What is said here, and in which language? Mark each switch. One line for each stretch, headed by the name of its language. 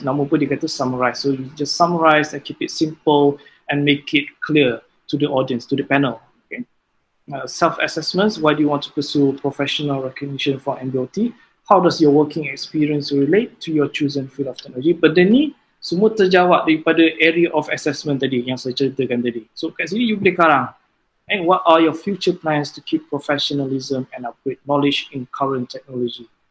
Malay: Nama pun dia kata
English: summarize, so you just summarize and keep it simple and make it clear to the audience, to the panel. Self-assessments, why do you want to pursue professional recognition for MBOT? How does your working experience relate to your chosen field of technology?
Malay: Benda ni semua terjawab daripada
English: area of assessment
Malay: tadi yang saya ceritakan tadi.
English: So
Malay: kat sini you boleh karang,
English: and what are your future plans to keep professionalism and upgrade knowledge in current technology?